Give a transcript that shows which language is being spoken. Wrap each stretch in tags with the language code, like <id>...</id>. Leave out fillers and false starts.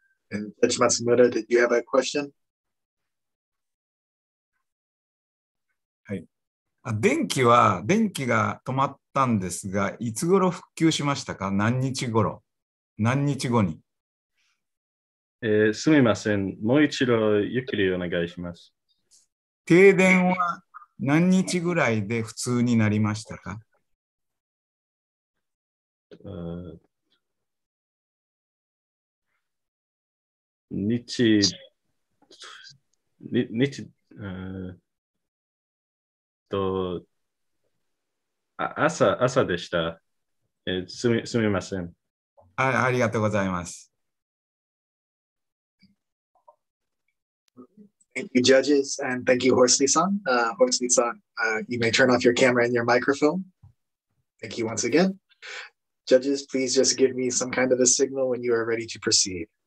<en>And Judge Matsumura, did you have a question?</en> <ja>はい。電気は電気が止まったんですが、いつ頃復旧しましたか？何日頃？何日後に？すみません。もう一度ゆっくりお願いします。停電は何日ぐらいで普通になりましたか？朝でした。すみません。ありがとうございます。</ja> <en>Thank you, judges, and thank you, Horsley-san. Horsley-san, you may turn off your camera and your microphone. Thank you once again. Judges, please just give me some kind of a signal when you are ready to proceed.</en>